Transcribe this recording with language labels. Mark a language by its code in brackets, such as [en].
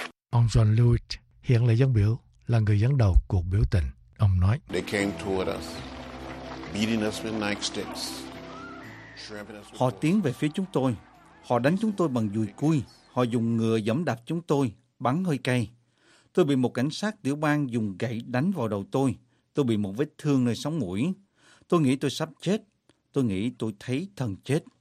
[vi] Ông John Lewis, hiện là dân biểu, là người dẫn đầu cuộc biểu tình. Ông nói, [en] "They came toward us, beating us with nightsticks. [vi] Họ tiến về phía chúng tôi. Họ đánh chúng tôi bằng dùi cui. Họ dùng ngựa dẫm đạp chúng tôi, bắn hơi cay. Tôi bị một cảnh sát tiểu bang dùng gậy đánh vào đầu tôi. Tôi bị một vết thương nơi sống mũi. Tôi nghĩ tôi sắp chết. Tôi nghĩ tôi thấy thần chết.